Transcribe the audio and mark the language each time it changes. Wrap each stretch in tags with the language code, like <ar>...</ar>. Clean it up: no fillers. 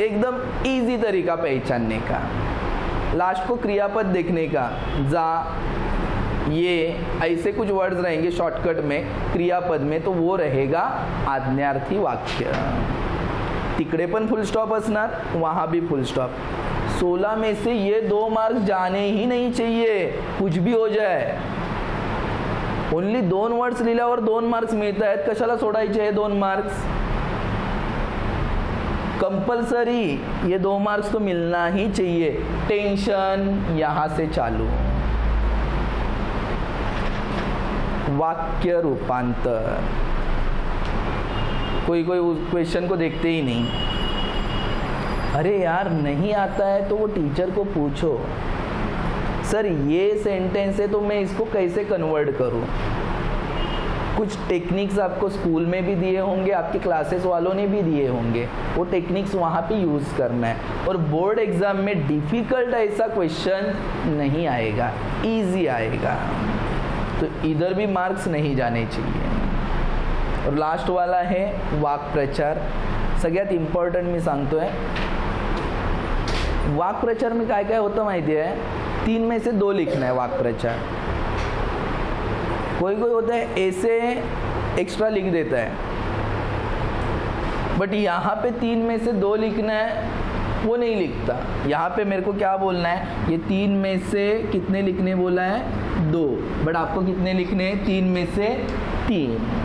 <hi>एकदम इजी तरीका पहचानने का, लास्ट को क्रियापद देखने का, जा, ये, ऐसे कुछ वर्ड्स रहेंगे शॉर्टकट में क्रियापद में, तो वो रहेगा आज्ञार्थी वाक्य।</hi> <mr>तिकड़े पण फुल स्टॉप असणार,</mr> <hi>वहां भी फुल स्टॉप। 16 में से ये 2 मार्क्स जाने ही नहीं चाहिए, कुछ भी हो जाए।</hi> <mr>ओनली 2 वर्ड्स लिहिल्यावर 2 मार्क्स मिळतात, आहेत कशाला सोडायचे हे 2 मार्क्स?</mr> <hi>कंपल्सरी ये 2 मार्क्स तो मिलना ही चाहिए। टेंशन यहां से चालू, वाक्य रूपांतर, कोई कोई उस क्वेश्चन को देखते ही नहीं। अरे यार नहीं आता है तो वो टीचर को पूछो, सर ये सेंटेंस है तो मैं इसको कैसे कन्वर्ट करूं? कुछ टेक्निक्स आपको स्कूल में भी दिए होंगे, आपके क्लासेस वालों ने भी दिए होंगे, वो टेक्निक्स वहां पे यूज करना है। और बोर्ड एग्जाम में डिफिकल्ट ऐसा क्वेश्चन नहीं आएगा, इजी आएगा, तो इधर भी मार्क्स नहीं जाने चाहिए। और लास्ट वाला है</hi> <mr>वाक् प्रचार, सगळ्यात इम्पॉर्टंट मी सांगतो आहे, वाक् प्रचार में काय काय होतं माहिती आहे?</mr> <hi>3 में से 2 लिखना है वाक् प्रचार। कोई कोई होता है ऐसे एक्स्ट्रा लिख देता है, बट यहाँ पे 3 में से 2 लिखना है वो नहीं लिखता। यहाँ पे मेरे को क्या बोलना है, ये 3 में से कितने लिखने बोला है, 2, बट आपको कितने लिखने हैं, 3 में से 3।</hi>